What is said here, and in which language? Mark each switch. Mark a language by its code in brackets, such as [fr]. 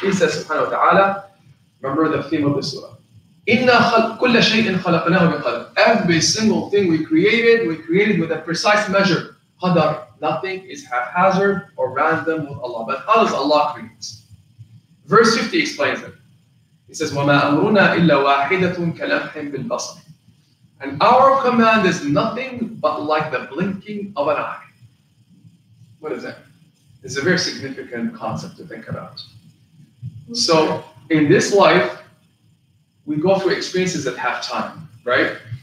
[en] He says, subhanahu wa ta'ala, remember the theme of the surah. [ar] إِنَّا كُلَّ شَيْءٍ خَلَقْنَاهُ بِقَدْرٍ. [en] Every single thing we created with a precise measure. قَدَر. Nothing is haphazard or random with Allah. But how does Allah create? Verse 50 explains it. He says, [ar] وَمَا أَمْرُنَا إِلَّا وَاحِدَةٌ كَلَمْحِ بِالْبَصَرِ. [en] And our command is nothing but like the blinking of an eye. What is that? It's a very significant concept to think about. So in this life, we go through experiences that have time, right?